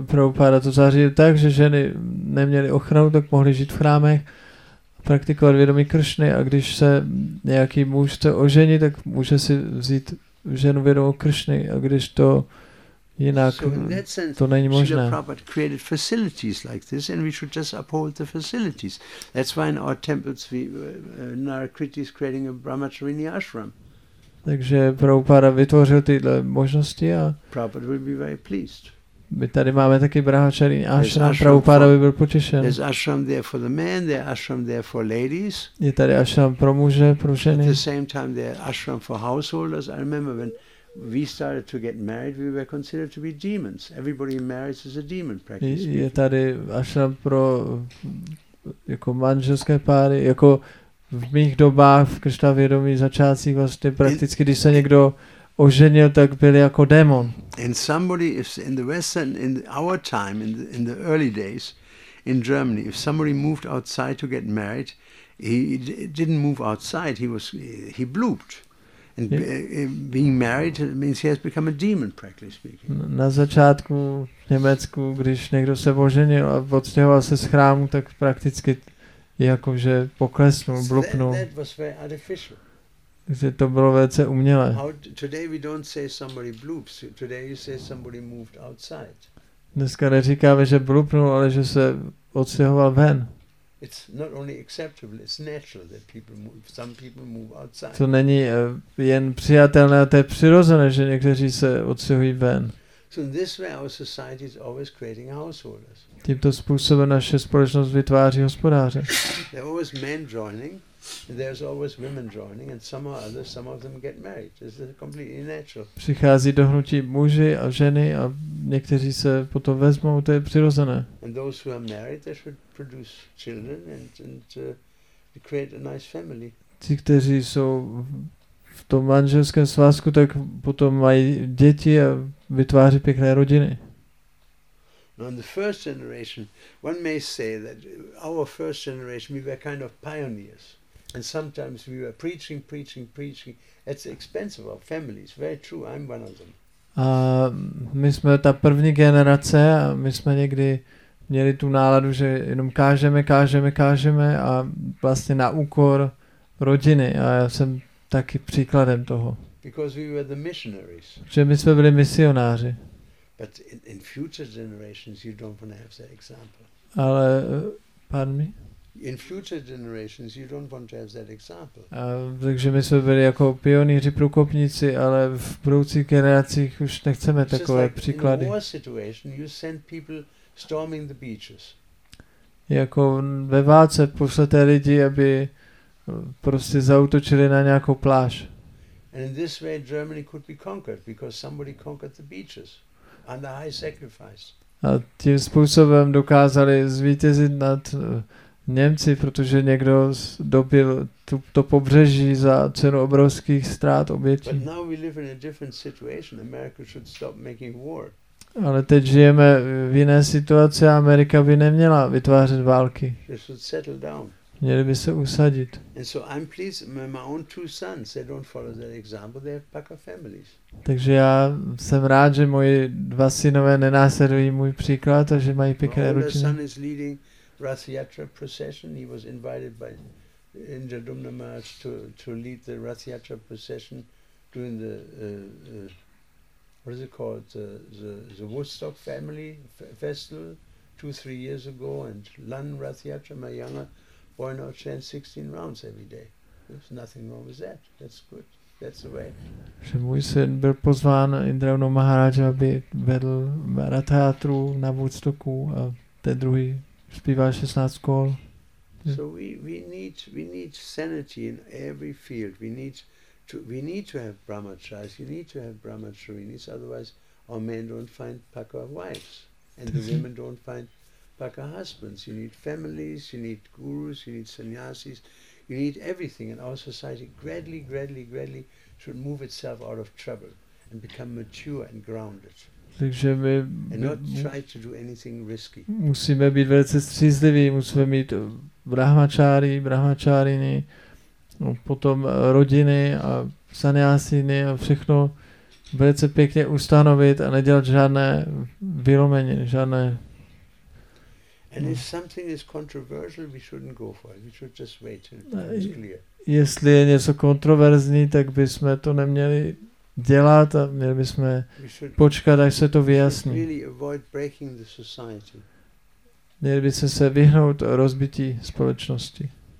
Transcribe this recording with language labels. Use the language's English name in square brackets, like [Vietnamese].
[Czech] Prabhupada to zařídil tak, že ženy neměly ochranu, tak mohly žít v chrámech, praktikovat vědomí Kršny, a když se nějaký muž chce oženit, tak může si vzít ženu vědomou Kršny, a když to jinak, to není možné. [English] Srila Prabhupada created facilities like this and we should just uphold the facilities. That's why in our temples Narakriti is creating a brahmacharini ashram. [Czech] Takže Prabhupada vytvořil tyhle možnosti a [English] Prabhupada will be very pleased. [Czech] My tady máme taky brahmacharini ashram, Prabhupada by byl potěšen. [English] There's ashram there for the men, there's ashram there for ladies. [Czech] Je tady ashram pro muže, pro ženy. [English] At the same time there's ashram for householders. I remember when we started to get married, we were considered to be demons. Everybody marries as a demon, practically. [Czech] Je tady ashram pro jako manželské páry, jako v mých dobách, v Krishna vědomí začátcích vlastně prakticky, když se někdo oženil, tak byl jako démon. [English] And somebody if in the Western, in our time, in the early days, in Germany, if somebody moved outside to get married, he didn't move outside, he blooped. And being married means he has become a demon, practically speaking. [Czech] Na začátku v Německu, když někdo se oženil a odstěhoval se z chrámu, tak prakticky jakože poklesnul, blupnul. [English] That was very artificial. [Czech] Takže to bylo velice umělé. [English] Today we don't say somebody bloops. Today you say somebody moved outside. [Czech] Dneska neříkáme, že blupnul, ale že se odstěhoval ven. [English] It's not only acceptable, it's natural that people move, some people move outside. [Czech] To není jen přijatelné, to je přirozené, že někteří se odstěhují ven. [English] So in this way our society is always creating householders. [Czech] Tímto způsobem naše společnost vytváří hospodáře. [English] There are always men joining, and there's always women joining, and somehow others, some of them get married. This is completely natural. [Czech] Přichází do hnutí muži a ženy a někteří se potom vezmou, to je přirozené. [English] And those who are married, they should produce children and create a nice family. [Czech] Ti, kteří jsou v tom manželském svazku, tak potom mají děti a vytváří pěkné rodiny. [English] Now in the first generation, one may say that our first generation, we were kind of pioneers. And sometimes we were preaching. It's expensive, our families, very true, I'm one of them. [Czech] A my jsme ta první generace a my jsme někdy měli tu náladu, že jenom kážeme a vlastně na úkor rodiny a já jsem taky příkladem toho. [English] Because we were the missionaries. [Czech] Že my jsme byli misionáři. [English] But in future generations you don't want to have that example. [Czech] Ale, [English] pardon me? In future generations you don't want to have that example. [Czech] A, takže my jsme byli jako pioníři, průkopníci, ale v budoucích generacích už nechceme takové příklady. [English] In war situation you send people storming the beaches. [Czech] Jako ve válce pošlete lidi, aby prostě zaútočili na nějakou pláž. [English] And in this way Germany could be conquered because somebody conquered the beaches under high sacrifice. [Czech] A tím způsobem dokázali zvítězit nad Němci, protože někdo dobil to pobřeží za cenu obrovských ztrát obětí. [English] But now we live in a different situation. America should stop making war. [Czech] Ale teď žijeme v jiné situaci a Amerika by neměla vytvářet války. [English] They should settle down. [Czech] Měli by se usadit. [English] And so I'm pleased with my own two sons. They don't follow that example. They have Packer families. [Czech] Takže já jsem rád, že moji dva synové nenásledují můj příklad a že mají pěkné rodiny. [English] My son is leading Rathyatra procession. He was invited by Indra Dumna Maharaj to lead the Rathyatra procession during the what is it called, the Woodstock family festival 2-3 years ago, and Lan Rathyatra, my younger boy now chants 16 rounds every day. There's nothing wrong with that. That's good. That's the way. [Czech] Že můj syn byl pozván Indravnou Maharaja, aby vedl Rathyatru na Woodstocku a ten druhý zpívá 16 kol. [English] So we need sanity in every field. We need to have brahmacharis, you need to have brahmacharinis, otherwise our men don't find paka wives and the women don't find paka husbands. You need families, you need gurus, you need sannyasis, you need everything, and our society gradually should move itself out of trouble and become mature and grounded. [Czech] Takže my [English] and not try to do anything risky. [Czech] Musíme být velice střízliví, musíme mít brahmačáry, brahmačáriny. No, potom rodiny a sanjásiny a všechno velice pěkně ustanovit a nedělat žádné vyloměně, žádné. [English] And if something is controversial, we shouldn't go for it. We should just wait until it's clear. [Czech] Jestli je něco kontroverzní, tak bychom to neměli dělat a měli bychom počkat, až se to vyjasní. [English] Really avoid breaking the society. [Czech] Měli bychom se vyhnout rozbití společnosti.